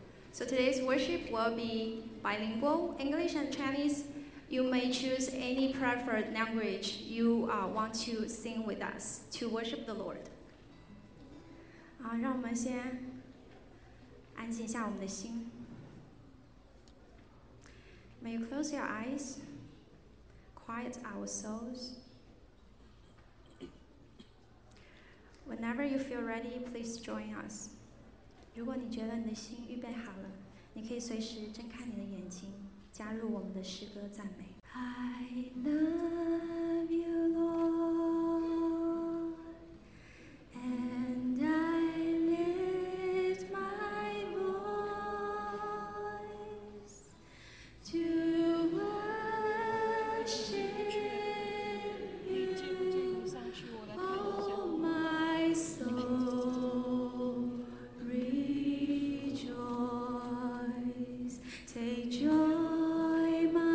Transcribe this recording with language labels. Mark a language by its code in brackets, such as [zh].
[en] So today's worship will be bilingual, English and Chinese. You may choose any preferred language you want to sing with us to worship the Lord. [zh] 让我们先安静一下我们的心。 [en] May you close your eyes, quiet our souls. Whenever you feel ready, please join us. [zh] 如果你觉得你的心预备好了，你可以随时睁开你的眼睛，加入我们的诗歌赞美。 [en] I love you, Lord, and I lift my voice to worship you, oh my soul, rejoice, take joy.